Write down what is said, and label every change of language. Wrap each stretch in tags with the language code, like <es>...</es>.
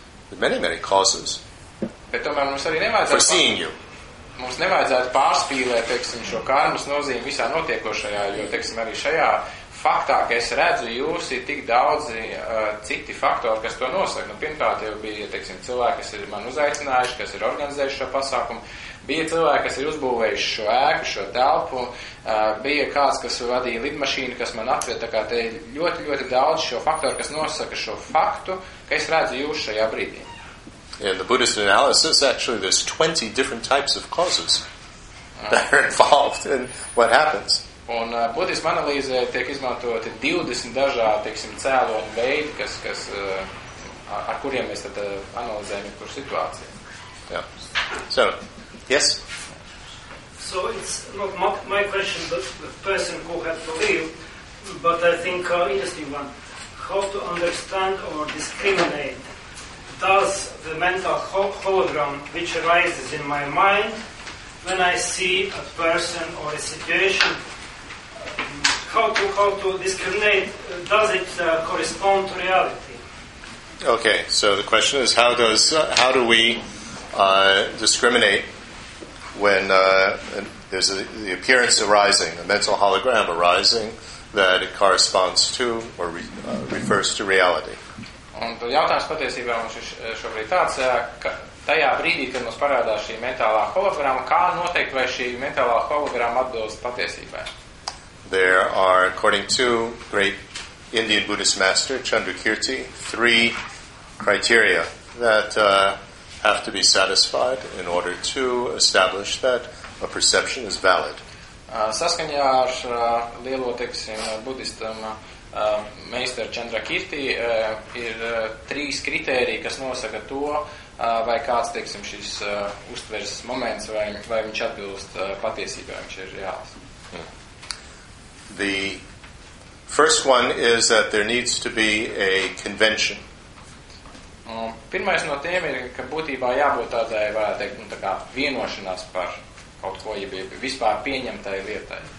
<en>There are many, many causes.</en> <lv>Bet tomēr mums arī nevajadzētu</lv> <en>for seeing you.</en> <lv>Mums nevajadzētu pārspīlēt, teiksim, šo karmas nozīmi visā notiekošajā, jo, teiksim, arī šajā faktā, ka es redzu jūs, ir tik daudzi citi faktori, kas to nosaka. Nu, pirmkārt, jau bija, teiksim, cilvēki, kas ir man uzaicinājuši, kas ir organizējuši šo pasākumu. Bija cilvēki, kas ir uzbūvējuši šo ēku, šo telpu. Bija kāds, kas vadīja lidmašīnu, kas man atved. Tā kā te ir ļoti, ļoti daudz šo faktoru, kas nosaka šo faktu, ka es redzu jūs šajā brīdī.</lv> <en>In the Buddhist analysis, actually, there's 20 different types of causes that are involved in what happens.</en> <lv>Un budisma analīzē tiek izmantoti 20 dažādi, teiksim, cēloņu veidi, kas ar kuriem mēs tad analizējam jebkuru situāciju. Jā.</lv> <en>So, yes? So, it's not my question, but the person who had to leave, but I think interesting one. How to understand or discriminate? Does the mental hologram which arises in my mind when I see a person or a situation, how to discriminate, does it correspond to reality? Okay, so the question is how do we discriminate when there's the appearance arising, a mental hologram arising that it corresponds to or refers to reality?</en> <lv>Un tad jautājums patiesībā mums ir šobrīd tāds, ka tajā brīdī, kad mums parādās šī mentālā hologramma, kā noteikt, vai šī mentālā hologramma atbilst patiesībai?</lv> <en>There are, according to great Indian Buddhist master Chandrakirti, three criteria that have to be satisfied in order to establish that a perception is valid.</en> <lv>Saskaņā ar lielo, teiksim, budistam meistaru Chandrakirti ir trīs kriteriji, kas nosaka to, vai kāds, teiksim, šis uztveres moments, vai viņš atbilst patiesībai, viņš ir reāls.</lv> <en>The First one is that there needs to be a convention.</en> <lv>Pirmais no tiem ir, ka būtībā jābūt tādai, varētu teikt, tā kā vienošanās par kaut ko, ja vispār pieņemtai lietai.</lv>